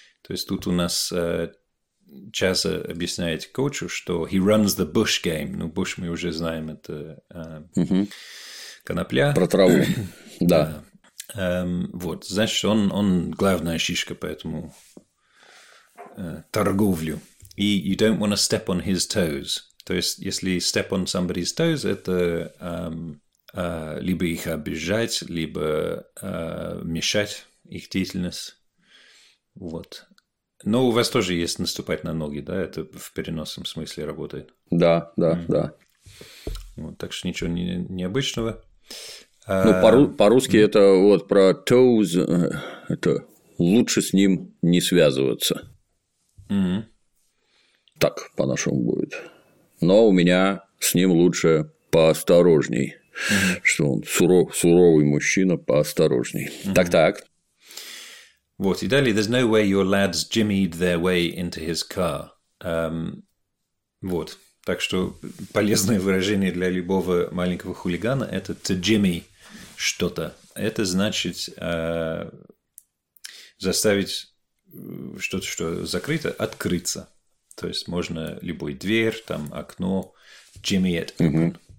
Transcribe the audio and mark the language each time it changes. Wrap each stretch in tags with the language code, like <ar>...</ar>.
<ru>То есть тут у нас часто объясняет коучу, что</ru> <en>«he runs the bush game».</en> <ru>Ну, «bush» мы уже знаем, это конопля. Про траву, да. Вот, значит, он главная шишка по этому торговлю.</ru> <en>И «you don't want to step on his toes».</en> <ru>То есть, если</ru> <en>«step on somebody's toes»,</en> <ru>это либо их обижать, либо мешать их деятельность. Вот. Но у вас тоже есть наступать на ноги, да? Это в переносном смысле работает. Да, да, да. Вот, так что ничего необычного. Ну, по-русски это вот про toes, это лучше с ним не связываться. Так по-нашему будет. Но у меня с ним лучше поосторожней. Что он суровый мужчина, поосторожней. Так-так. Вот, и далее,</ru> <en>there's no way your lads jimmied their way into his car.</en> <ru>Вот, так что полезное выражение для любого маленького хулигана – это</ru> <en>to jimmy</en> <ru>что-то. Это значит заставить что-то, что закрыто, открыться. То есть, можно любой дверь, там, окно,</ru> <en>jimmy it.</en>